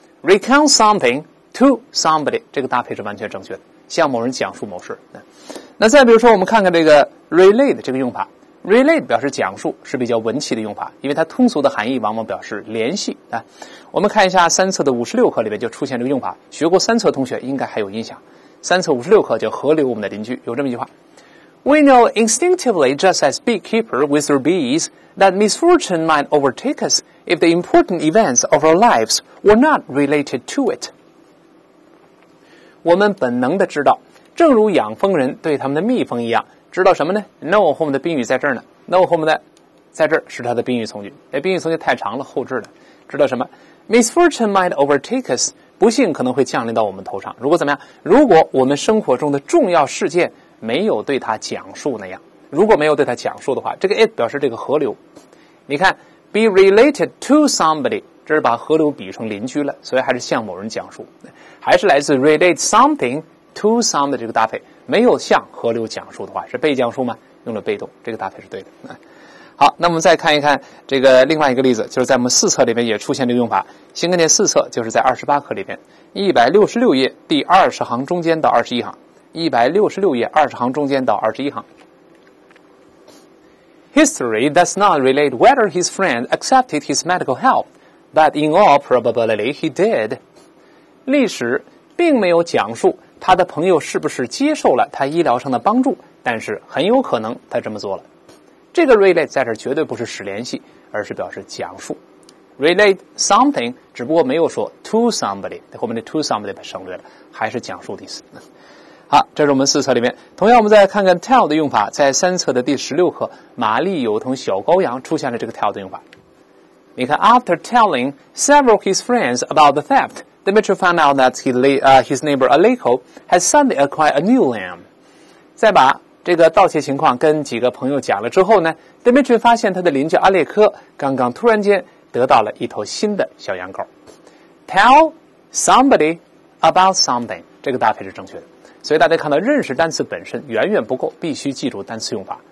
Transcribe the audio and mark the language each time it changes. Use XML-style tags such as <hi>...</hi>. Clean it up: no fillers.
<en>recount somethingTo somebody，</en> <zh>这个搭配是完全正确的，向某人讲述某事。那再比如说我们看看这个 relate 这个用法， relate 表示讲述，是比较文气的用法，因为它通俗的含义往往表示联系。我们看一下三册的56课里面就出现这个用法，学过三册同学应该还有印象。三册56课叫河流我们的邻居，有这么一句话。</zh> <en>We know instinctively, just as beekeeper with their bees, that misfortune might overtake us if the important events of our lives were not related to it.</en> <zh>我们本能的知道，正如养蜂人对他们的蜜蜂一样，知道什么呢？ know 后面的宾语在这儿呢， know 后面的在这儿是它的宾语从句，宾语从句太长了，后置的。知道什么？</zh> <en>misfortune might overtake us,</en> <zh>不幸可能会降临到我们头上。如果怎么样？如果我们生活中的重要事件没有对它讲述那样，如果没有对它讲述的话，这个 it 表示这个河流。你看</zh> <en>be related to somebody,</en> <zh>这是把河流比成邻居了，所以还是向某人讲述，还是来自</zh> <en>relate something to some</en> <zh>的这个搭配，没有向河流讲述的话是被讲述吗？用了被动，这个搭配是对的。好，那我们再看一看这个另外一个例子，就是在我们四册里面也出现这个用法。新概念四册就是在28课里面166页第20行中间到21行，166页20行中间到21行。</zh> <en>History does not relate whether his friend accepted his medical help, but in all probability he did.</en> <zh>历史并没有讲述他的朋友是不是接受了他医疗上的帮助，但是很有可能他这么做了。这个 relate 在这绝对不是使联系，而是表示讲述。</zh> <en>relate something</en> <zh>只不过没有说</zh> <en>to somebody，</en> <zh>后面的 to somebody 把省略了，还是讲述的意思。好，这是我们四册里面。同样我们再看看 tell 的用法，在三册的第16课，玛丽有同小羔羊出现了这个 tell 的用法。</zh> <en>你看 after telling several of his friends about the theft,Dimitri found out that his neighbor Aleko has suddenly acquired a new lamb.</en> <zh>在把这个盗窃情况跟几个朋友讲了之后呢， Dimitri 发现他的邻居阿列科刚刚突然间得到了一头新的小羊羔。</zh> <en>Tell somebody about something，</en> <zh>这个搭配是正确的。所以大家看到认识单词本身远远不够，必须记住单词用法。</zh>